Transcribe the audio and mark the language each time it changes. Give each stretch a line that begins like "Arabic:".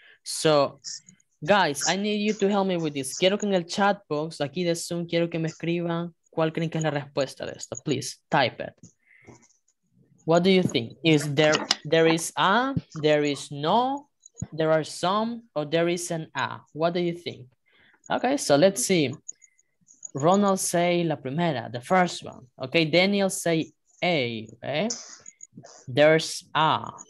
English: So, guys, I need you to help me with this.
Spanish: Quiero que en el chat box, aquí de Zoom, quiero que me escriban cuál creen que es la respuesta de esto.
English: Please, type it. What do you think? Is there is a, there is no, there are some, or there is an a? What do you think? Okay, so let's see. Ronald say
Spanish: la primera,
English: the first one. Okay, Daniel say a, okay? There's a.